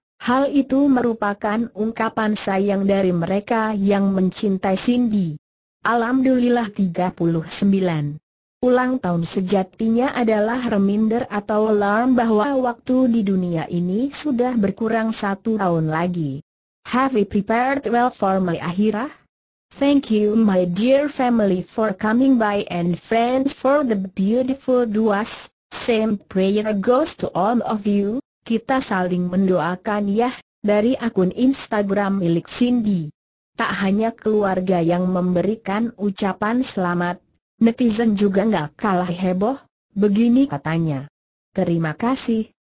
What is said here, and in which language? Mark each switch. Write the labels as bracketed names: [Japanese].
[Indonesian] Hal itu merupakan ungkapan sayang dari mereka yang mencintai Cindy. Alhamdulillah 39. Ulang tahun sejatinya adalah reminder atau alarm bahwa waktu di dunia ini sudah berkurang satu tahun lagi. [English] Have we prepared well for my akhirah? Thank you my dear family for coming by and friends for the beautiful duas. Same prayer goes to all of you. [Indonesian] Kita saling mendoakan ya, dari akun Instagram milik Cindy. Tak hanya keluarga yang memberikan ucapan selamat, netizen juga gak kalah heboh, begini katanya. Terima kasih.